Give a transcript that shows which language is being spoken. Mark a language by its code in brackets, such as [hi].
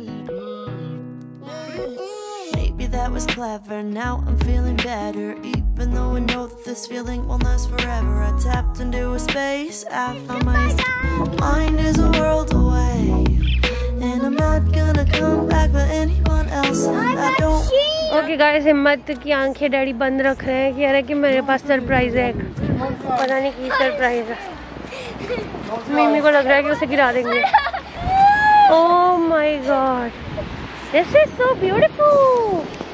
[en] Maybe that was clever, now I'm feeling better. Even though I know that this feeling will last forever, I tapped into a space I found my mind is a world away, and I'm not gonna come back for anyone else. And I don't. [hi] Okay guys, हिम्मत की आंखें daddy बंद रख रहे हैं, कह रहे कि मेरे पास सरप्राइज है, पता नहीं की सरप्राइज है। मम्मी को लग रहा है कि उसे गिरा देंगे। [en] Oh my god, this is so beautiful.